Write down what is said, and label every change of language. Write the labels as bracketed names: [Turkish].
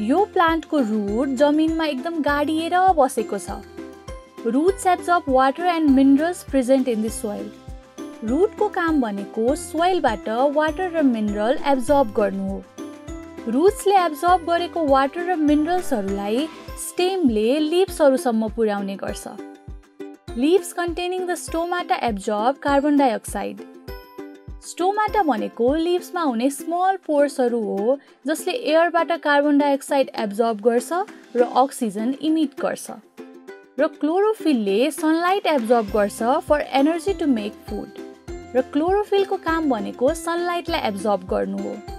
[Nepali] यो प्लान्टको रुट जमिनमा एकदम गाडिएर बसेको छ। [English] Roots absorb water and minerals present in the soil. [Nepali] रुटको काम भनेको सोइलबाट वाटर र मिनरल एब्जर्ब गर्नु हो। रुट्सले एब्जर्ब गरेको वाटर र मिनरल्सहरूलाई स्टेमले लिभ्सहरूसम्म पुर्याउने गर्छ। [English] Leaves containing the stomata absorb carbon dioxide. [Nepali] Stomata भनेको लिभ्समा हुने स्मल पोर्सहरू हो जसले एयरबाट कार्बन डाइअक्साइड एब्जर्ब गर्छ र अक्सिजन इमिट गर्छ, र क्लोरोफिलले सनलाइट एब्जर्ब गर्छ [English] For energy to make food. [Nepali] र क्लोरोफिलको काम भनेको सनलाइटलाई एब्जर्ब गर्नु हो।